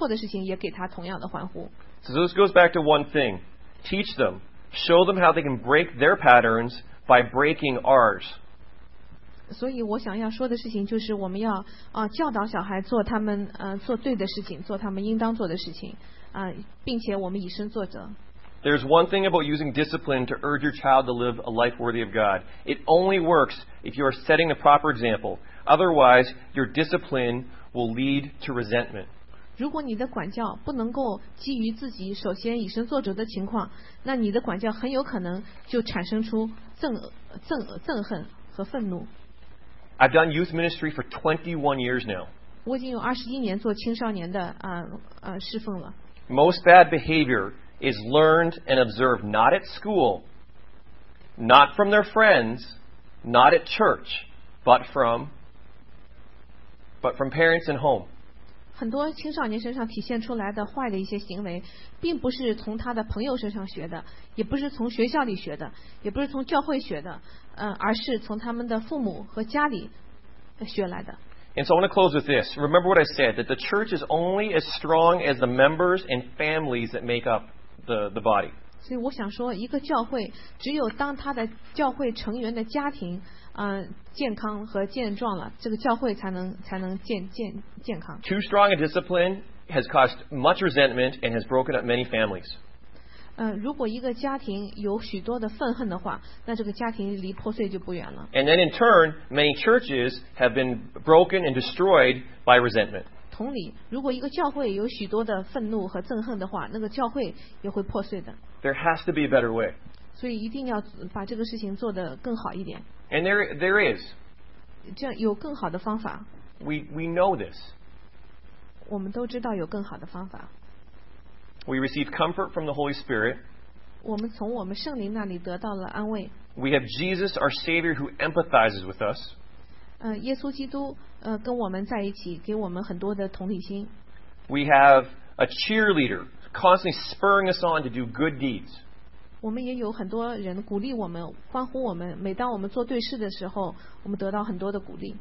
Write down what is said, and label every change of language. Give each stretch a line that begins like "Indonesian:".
Chinese: 当我们给小孩做拉拉队，鼓励他们的好的行为的时候，我并不是说让大家给他做拉拉队，他做错的事情也给他同样的欢呼。
English: So this goes back to one thing: teach them, show them how they can break their patterns by breaking ours.
Chinese: 所以我想要说的事情就是，我们要教导小孩做他们做对的事情，做他们应当做的事情，并且我们以身作则。
English: There's one thing about using discipline to urge your child to live a life worthy of God. It only works if you are setting the proper example. Otherwise, your discipline will lead to resentment.
Chinese: 如果你的管教不能够基于自己首先以身作则的情况，那你的管教很有可能就产生出憎恨和愤怒。
English: I've done youth ministry for 21 years now.
Chinese: 我已经有21年做青少年的侍奉了。
English: Most bad behavior is learned and observed not at school, not from their friends, not at church, but from parents and home.
Chinese: 很多青少年身上体现出来的坏的一些行为，并不是从他的朋友身上学的，也不是从学校里学的，也不是从教会学的，而是从他们的父母和家里学来的。
English: And so I want to close with this. Remember what I said, that the church is only as strong as the members and families that make up the body.
Chinese: 所以我想说，一个教会只有当他的教会成员的家庭健康和健壮了，这个教会才能健康。
English: Too strong a discipline has caused much resentment and has broken up many families.
Chinese: 如果一个家庭有许多的愤恨的话，那这个家庭离破碎就不远了。
English: And then in turn, many churches have been broken and destroyed by resentment.
Chinese: 同理，如果一个教会有许多的愤怒和憎恨的话，那个教会也会破碎的。
English: There has to be a better way.
Chinese: 所以一定要把这个事情做得更好一点。
English: And there is.
Chinese: 这样有更好的方法。
English: We know this.
Chinese: 我们都知道有更好的方法。
English: We receive comfort from the Holy Spirit.
Chinese: 我们从我们圣灵那里得到了安慰。
English: We have Jesus, our Savior, who empathizes with us.
Chinese: 耶稣基督跟我们在一起，给我们很多的同理心。
English: We have a cheerleader constantly spurring us on to do good deeds.
Chinese: 我们也有很多人鼓励我们，欢呼我们。每当我们做对事的时候，我们得到很多的鼓励。